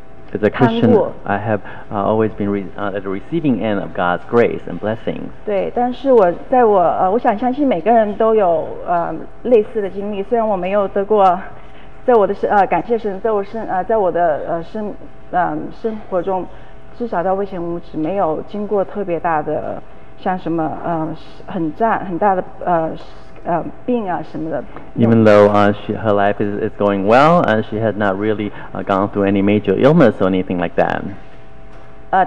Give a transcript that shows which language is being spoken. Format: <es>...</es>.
<en>As a Christian, I have always been at the receiving end of God's grace and blessings.</en> <zh>对，但是我在我我想相信每个人都有类似的经历，虽然我没有得过，在我的感谢神，在我生在我的生活中。至少到目前为止，没有经过特别大的，像什么很大的病啊什么的。</zh> <en>Even though her life is going well, and she had not really gone through any major illness or anything like that.</en>